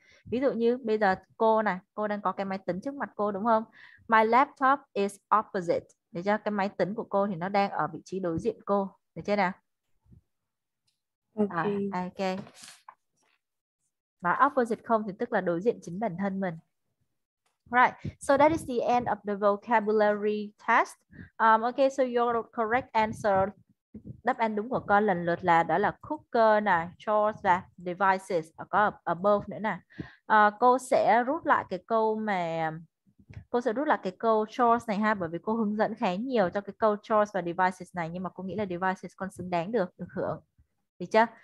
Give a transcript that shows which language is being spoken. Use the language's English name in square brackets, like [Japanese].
[Vietnamese] Ví dụ như bây giờ cô này, cô đang có cái máy tính trước mặt cô đúng không? [English] My laptop is opposite. [Vietnamese] Được chưa? Cái máy tính của cô thì nó đang ở vị trí đối diện cô. Được chưa nào? [English] Ok. [Vietnamese] Và opposite không thì tức là đối diện chính bản thân mình. [English] Right, so that is the end of the vocabulary test. Okay, so your correct answer, [Vietnamese] đáp án đúng của con lần lượt là đó là cooker này, chores và devices, có above nữa nè. Cô sẽ rút lại cái câu mà cô sẽ rút lại cái câu chores này ha, bởi vì cô hướng dẫn khá nhiều cho cái câu chores và devices này, nhưng mà cô nghĩ là devices con xứng đáng được hưởng, được chưa?